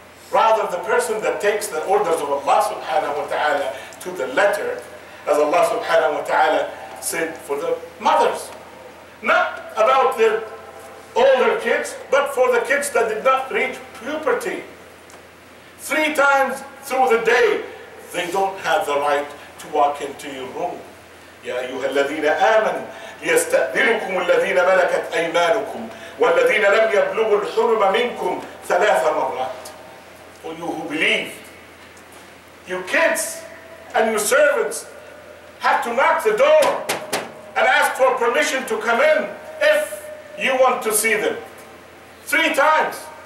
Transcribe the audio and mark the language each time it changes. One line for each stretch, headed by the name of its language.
English: Rather, the person that takes the orders of Allah subhanahu wa ta'ala to the letter, as Allah subhanahu wa ta'ala said for the mothers. Not about the older kids, but for the kids that did not reach puberty. three times through the day, they don't have the right to walk into your room.
Arabic: يا أيها الذين آمنوا ليستأذنكم الذين ملكت أيمانكم والذين لم يبلغوا الحلم منكم ثلاث مرات.
English: All you who believe, your kids and your servants have to knock the door and ask for permission to come in if you want to see them. Three times.